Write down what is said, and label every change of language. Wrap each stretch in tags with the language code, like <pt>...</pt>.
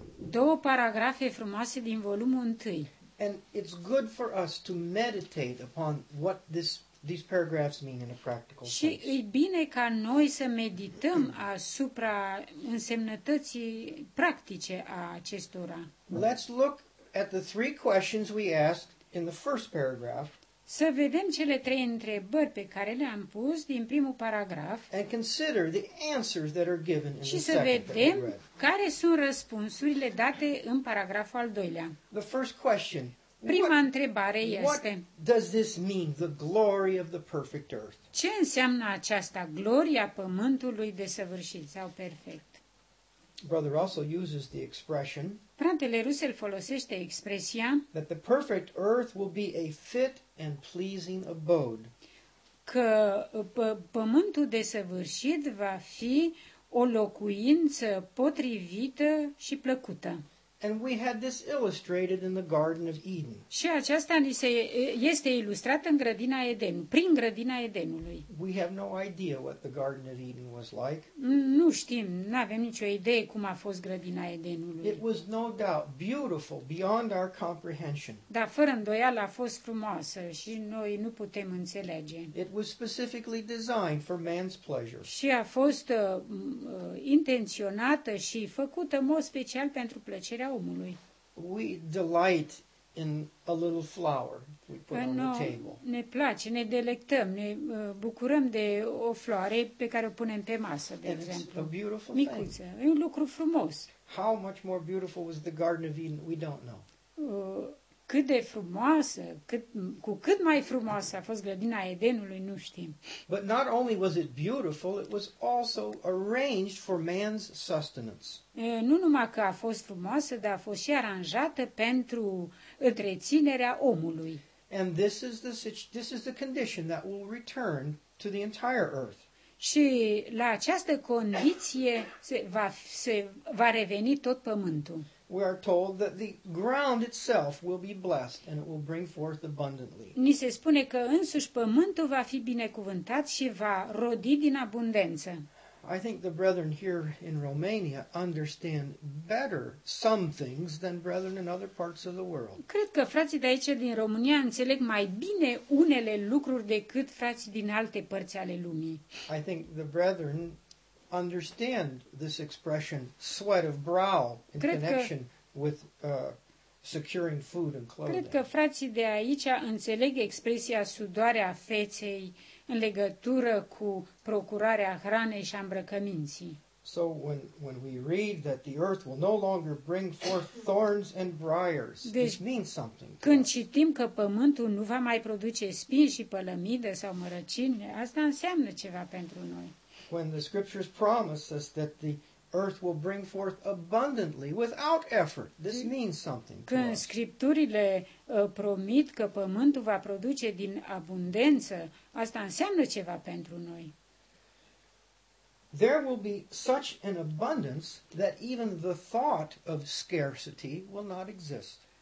<ro>Două paragrafe frumoase din volumul 1.</ro> <en>And it's good for us to meditate upon what these paragraphs mean in a practical sense.</en> <ro>Și e bine ca noi să medităm asupra însemnătății practice a acestora.</ro> <en>Let's look at the three questions we asked in the first paragraph.</en> <ro>Să vedem cele trei întrebări pe care le-am pus din primul paragraf.</ro> <en>And consider the answers that are given in the second paragraph.</en> <ro>Și să vedem care sunt răspunsurile date în paragraful al doilea.</ro> <en>The first question.</en> <ro>Prima întrebare este:</ro> <en>What does this mean, the glory of the perfect earth?</en> <ro>Ce înseamnă aceasta, gloria pământului desăvârșit sau perfect?</ro> <en>Brother also uses the expression.</en> <ro>Fratele Russell folosește expresia</ro> <en>that the perfect earth will be a fit and pleasing abode.</en> <ro>Că pământul desăvârșit va fi o locuință potrivită și plăcută.</ro> <en>And we had this illustrated in the Garden of Eden.</en> <ro>Și aceasta ni se este ilustrat în grădina Eden, prin grădina Edenului.</ro> <en>We have no idea what the Garden of Eden was like.</en> <ro>Nu știm, n-avem nicio idee cum a fost grădina Edenului.</ro> <en>It was no doubt beautiful beyond our comprehension.</en> <ro>Dar fără îndoială a fost frumoasă și noi nu putem înțelege.</ro> <en>It was specifically designed for man's pleasure.</en> <ro>Și a fost intenționată și făcută în mod special pentru plăcerea.</ro> <en>We delight in a little flower we put on the table.</en> <ro>Ne place, ne delectăm, ne bucurăm de o floare pe care o punem pe masă, de exemplu. Micuță, e un lucru frumos.</ro> <en>How much more beautiful was the Garden of Eden? We don't know.</en> <ro>Cât de frumoasă, cu cât mai frumoasă a fost grădina Edenului, nu știm.</ro> <en>But not only was it beautiful, it was also arranged for man's sustenance.</en> <ro>Nu numai că a fost frumoasă, dar a fost și aranjată pentru întreținerea omului.</ro> <en>And this is the condition that will return to the entire earth.</en> <ro>Și la această condiție se va reveni tot pământul.</ro> <en>We are told that the ground itself will be blessed and it will bring forth abundantly.</en> <ro>Ni se spune că însuși pământul va fi binecuvântat și va rodi din abundență.</ro> <en>I think the brethren here in Romania understand better some things than brethren in other parts of the world.</en> <ro>Cred că frații de aici din România înțeleg mai bine unele lucruri decât frații din alte părți ale lumii.</ro> <en>I think the brethren understand this expression, sweat of brow, in connection with securing food and clothing.</en> <ro>Cred că frații de aici înțeleg expresia sudoarea feței în legătură cu procurarea hranei și a îmbrăcăminții.</ro> <en>So when we read that the earth will no longer bring forth thorns and briars,</en> <ro>deci,</ro> <en>this means something.</en> <ro>Când citim că pământul nu va mai produce spini și pălămidă sau mărăcini, asta înseamnă ceva pentru noi.</ro> <en>When the scriptures promise us that the earth will bring forth abundantly without effort, this means something.</en> <ro>Când scripturile promit că pământul va produce din abundență, asta înseamnă ceva pentru noi.</ro> <en>There will be such an abundance that even the thought of scarcity will not exist.</en>